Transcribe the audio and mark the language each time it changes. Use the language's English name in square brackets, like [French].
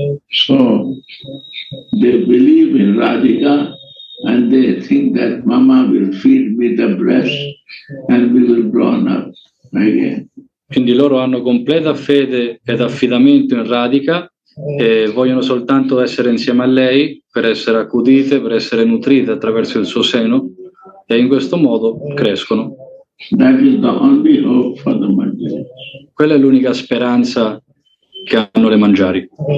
[English] So they believe in Radhika and they think that Mama will feed me the breast and we will grown up again. [Italian] Quindi loro hanno completa fede ed affidamento in Radhika e vogliono soltanto essere insieme a lei per essere accudite, per essere nutrite attraverso il suo seno e in questo modo crescono. [English] That is the only hope for the mangiari. [Italian] Quella è l'unica speranza che hanno le mangiari.